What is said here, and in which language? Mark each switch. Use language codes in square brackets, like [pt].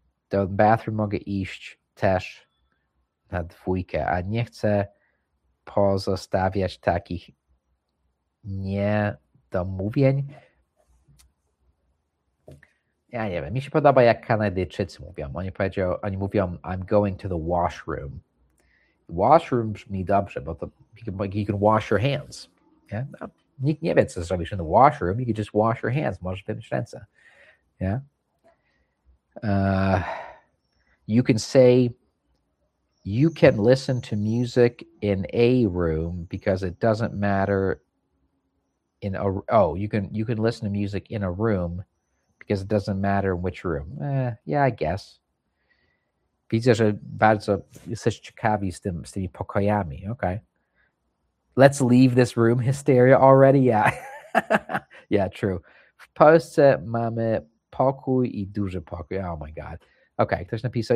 [pl] Do bathroom mogę iść też na dwójkę, a nie chcę pozostawiać takich niedomówień. Ja nie wiem, mi się podoba, jak Kanadyjczycy mówią. Oni mówią, [en] I'm going to the washroom. Washroom [pl] brzmi dobrze, bo to [en] you can wash your hands. Yeah? [pl] No, nikt nie wie, co zrobisz [en] in the washroom. You can just wash your hands. [pl] Możesz wymyć ręce. [en] Yeah? You can say, you can listen to music in a room because it doesn't matter. You can listen to music in a room because it doesn't matter in which room. Yeah, I guess. [pl] Widzę, że bardzo jesteś ciekawi z tymi pokojami. Okay. [en] Let's leave this room hysteria already. Yeah. Yeah, true. [pl] W Polsce mamy pokój i duży pokój. [en] Oh my God. [pl] Okay, ktoś napisał.